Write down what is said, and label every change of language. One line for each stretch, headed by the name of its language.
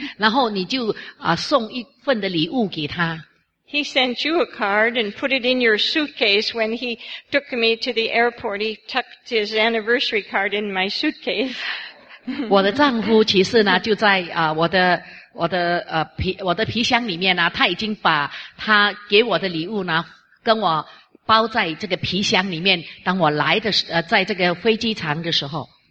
Chinese: 然后你就送一份的礼物给他。
English: He sent you a card and put it in your suitcase when he took me to the airport. He tucked his anniversary card in my suitcase.
Chinese: 我的丈夫其实呢就在我的皮箱里面呢，他已经把他给我的礼物呢跟我包在这个皮箱里面。当我来的在这个飞机场的时候